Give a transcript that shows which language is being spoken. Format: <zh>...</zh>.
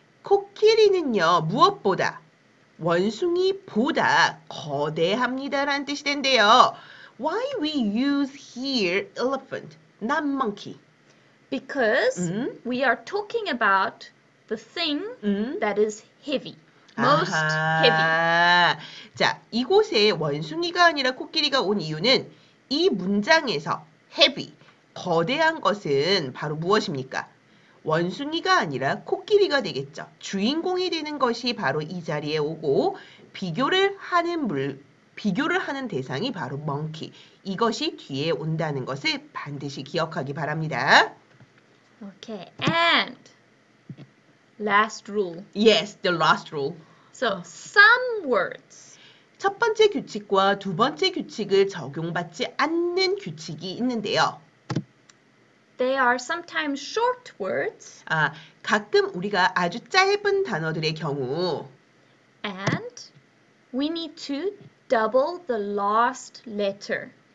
<ko>코끼리는요, 무엇보다, 원숭이보다 거대합니다라는 뜻이 된대요.</ko> <en>Why we use here elephant, not monkey? Because we are talking about the thing that is heavy, most</en> <ko>아하.</ko> <en>heavy.</en> <ko>자, 이곳에 원숭이가 아니라 코끼리가 온 이유는 이 문장에서 heavy, 거대한 것은 바로 무엇입니까? 원숭이가 아니라 코끼리가 되겠죠. 주인공이 되는 것이 바로 이 자리에 오고 비교를 하는 대상이 바로 monkey. 이것이 뒤에 온다는 것을 반드시 기억하기 바랍니다.</ko> <en>Okay, and last rule. Yes, the last rule. So, some words.</en> <ko>첫 번째 규칙과 두 번째 규칙을 적용받지 않는 규칙이 있는데요.</ko> <en>They are sometimes short words.</en> <ko>아, 가끔 우리가 아주 짧은 단어들의 경우.</ko> <en>And we need to double the last letter.</en>